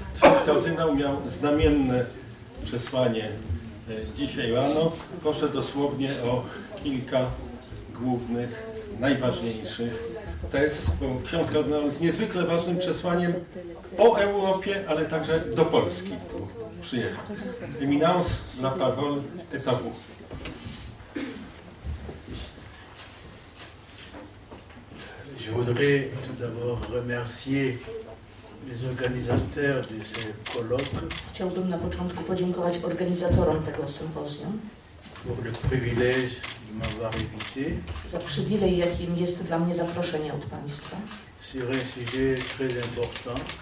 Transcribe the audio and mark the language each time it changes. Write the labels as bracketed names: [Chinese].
[Polish] Ksiądz kardynał miał znamienne przesłanie dzisiaj rano. Proszę dosłownie o kilka głównych, najważniejszych tez, bo ksiądz kardynał jest niezwykle ważnym przesłaniem o Europie, ale także do Polski tu przyjechał. [French] Eminence la parole est à vous. Je voudrais tout d'abord remercier les organisateurs de ce colloque. [Polish] Chciałbym na początku podziękować organizatorom tego sympozjum. [French] Pour le privilège de m'avoir invité. [Polish] Za przywilej, jakim jest dla mnie zaproszenie od państwa. [French] Sur un sujet très important.